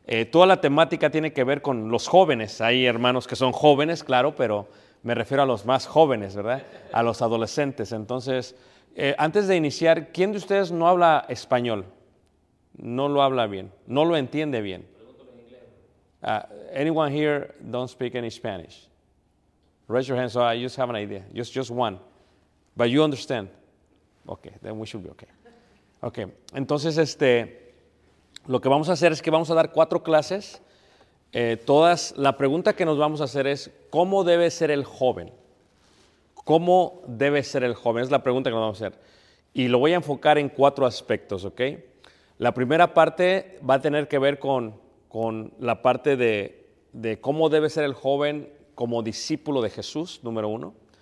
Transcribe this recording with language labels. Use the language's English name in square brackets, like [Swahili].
[Spanish] Toda la temática tiene que ver con los jóvenes. Hay hermanos que son jóvenes, claro, pero me refiero a los más jóvenes, ¿verdad? A los adolescentes. Entonces, antes de iniciar, ¿quién de ustedes no habla español? No lo habla bien, no lo entiende bien. [English] Anyone here don't speak any Spanish? Raise your hand so I just have an idea, just one. But you understand. Okay, then we should be okay. [Spanish] Okay, entonces lo que vamos a hacer es que vamos a dar cuatro clases. Todas, la pregunta que nos vamos a hacer es, ¿cómo debe ser el joven? ¿Cómo debe ser el joven? Es la pregunta que nos vamos a hacer. Y lo voy a enfocar en cuatro aspectos, ¿ok? La primera parte va a tener que ver con la parte de cómo debe ser el joven como discípulo de Jesús, número uno.